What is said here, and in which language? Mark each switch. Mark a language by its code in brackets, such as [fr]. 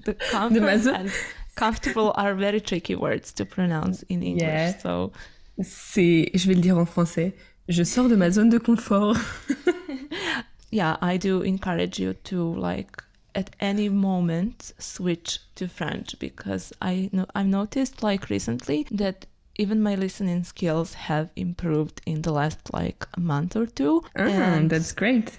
[en] comfortable are very tricky words to pronounce in English. Yeah. So [fr] je vais le dire en français, je sors de ma zone de confort. [en] Yeah, I do encourage you to, like, at any moment switch to French, because I've noticed, like, recently that even my listening skills have improved in the last, like, a month or two. And that's great.